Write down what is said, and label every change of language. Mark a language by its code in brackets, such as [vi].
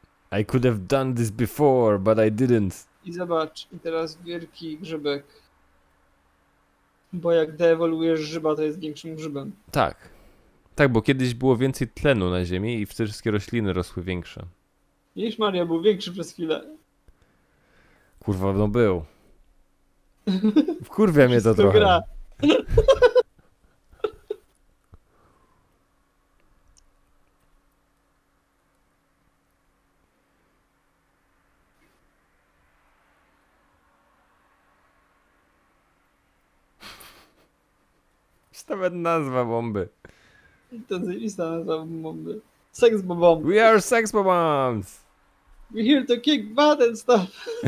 [en] I could have done this before, but I didn't. [pl] I zobacz, i teraz wielki grzybek. Bo jak deewoluujesz grzyba, to jest większym grzybem. Tak. Tak, bo kiedyś było więcej tlenu na ziemi i wtedy wszystkie rośliny rosły większe. Niż Mario był większy przez chwilę. Kurwa, no był. Wkurwia mnie to trochę. Gra. Nawet nazwa bomby. To zajebista nazwa bomby. [en] Sex bomb. We are sex bombs. We're here to kick butt and stuff.